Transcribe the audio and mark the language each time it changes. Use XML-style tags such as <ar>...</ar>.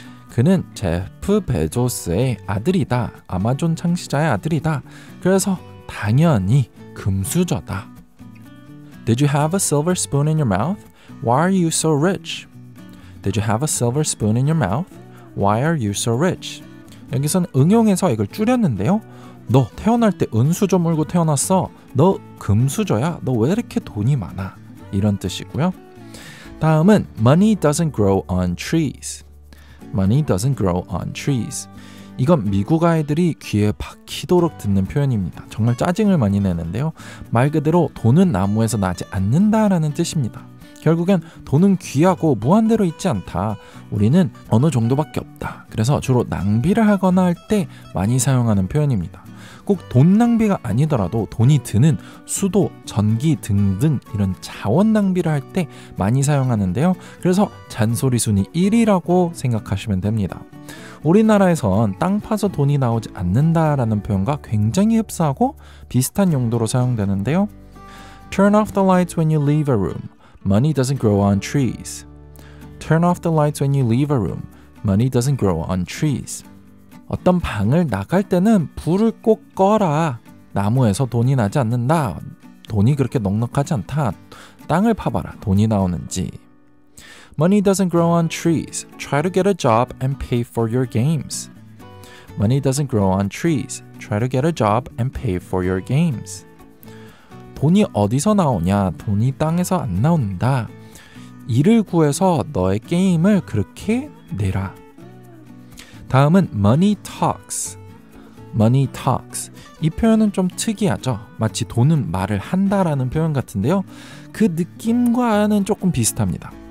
<ko>그는 제프 베조스의 아들이다. 아마존 창시자의 아들이다. 그래서 당연히 금수저다.</ko> <en>Did you have a silver spoon in your mouth? Why are you so rich? Did you have a silver spoon in your mouth? Why are you so rich?</en> <ko>여기서는 응용해서 이걸 줄였는데요. 너 태어날 때 은수저 물고 태어났어. 너 금수저야. 너 왜 이렇게 돈이 많아? 이런 뜻이고요. 다음은</ko> <en>money doesn't grow on trees. Money doesn't grow on trees.</en> <ko>이건 미국 아이들이 귀에 박히도록 듣는 표현입니다. 정말 짜증을 많이 내는데요. 말 그대로 돈은 나무에서 나지 않는다라는 뜻입니다. 결국엔 돈은 귀하고 무한대로 있지 않다. 우리는 어느 정도밖에 없다. 그래서 주로 낭비를 하거나 할 때 많이 사용하는 표현입니다. 꼭 돈 낭비가 아니더라도 돈이 드는 수도, 전기 등등 이런 자원 낭비를 할 때 많이 사용하는데요. 그래서 잔소리 순위 1위라고 생각하시면 됩니다. 우리나라에선 땅 파서 돈이 나오지 않는다라는 표현과 굉장히 흡사하고 비슷한 용도로 사용되는데요.</ko> <en>Turn off the lights when you leave a room. Money doesn't grow on trees. Turn off the lights when you leave a room. Money doesn't grow on trees.</en> <ko>어떤 방을 나갈 때는 불을 꼭 꺼라. 나무에서 돈이 나지 않는다. 돈이 그렇게 넉넉하지 않다. 땅을 파봐라. 돈이 나오는지.</ko> <en>Money doesn't grow on trees. Try to get a job and pay for your games. Money doesn't grow on trees. Try to get a job and pay for your games.</en> <ko>돈이 어디서 나오냐? 돈이 땅에서 안 나온다. 일을 구해서 너의 게임을 그렇게 내라. 다음은</ko> <en>money talks. Money talks.</en> <ko>이 표현은 좀 특이하죠? 마치 돈은 말을 한다라는 표현 같은데요. 그 느낌과는 조금 비슷합니다.</ko>